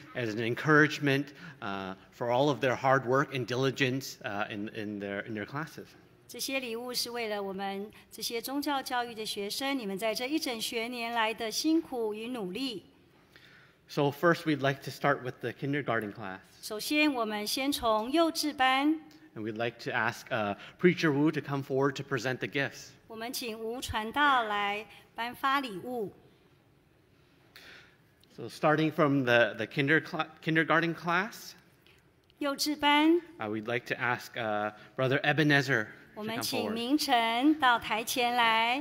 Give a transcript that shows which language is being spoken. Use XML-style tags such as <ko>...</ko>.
<en>As an encouragement for all of their hard work and diligence in their classes.</en> <zh>这些礼物是为了我们这些宗教教育的学生，你们在这一整学年来的辛苦与努力。</zh> <en>So first, we'd like to start with the kindergarten class.</en> <zh>首先，我们先从幼稚班。</zh> <en>And we'd like to ask Preacher Wu to come forward to present the gifts.</en> <zh>我们请吴传道来颁发礼物。</zh> <en>So starting from the kindergarten class.</en> <zh>幼稚班。</zh> <en>We'd like to ask Brother Ebenezer.</en> <zh>我们请明晨到台前来。</zh>